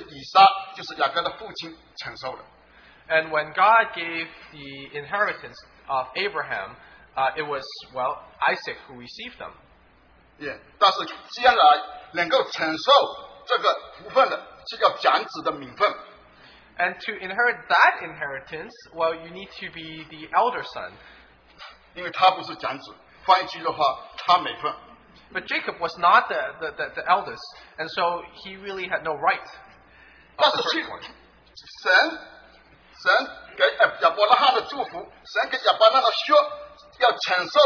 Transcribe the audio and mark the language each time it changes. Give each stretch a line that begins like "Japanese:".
Chinese: 当神把他的福分给亚伯拉罕的时候，他把他祝福把他约给亚伯拉罕的时候，是以撒，就是雅各的父亲承受的。
English: And when God gave the inheritance of Abraham, it was Isaac who received them. Yeah,
Chinese: 但是将来能够承受这个福分的，是叫长子的名分。
English: And to inherit that inheritance, well, you need to be the elder son.
Chinese: 因为他不是长子，换一句的话，他没份。
English: But Jacob was not the eldest, and so he really had no right.
Chinese: 但是神给亚伯拉罕的祝福，神给亚伯拉罕说。